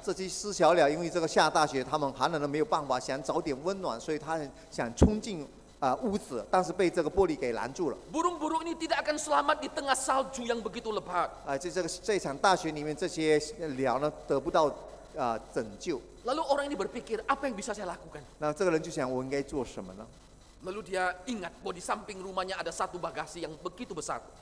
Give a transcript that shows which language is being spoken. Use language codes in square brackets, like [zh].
[zh] 这些小鸟因为这个下大雪，它们寒冷的没有办法想找点温暖，所以它想冲进屋子，但是被这个玻璃给拦住了。 [id] Burung-burung ini tidak akan selamat di tengah salju yang begitu lebat. [zh] 这场大雪里面这些鸟呢得不到拯救。 [id] Lalu orang ini berpikir, apa yang bisa saya lakukan? [zh] 那这个人就想，我应该做什么呢？ [id] Lalu dia ingat bahwa di samping rumahnya ada satu bagasi yang begitu besar.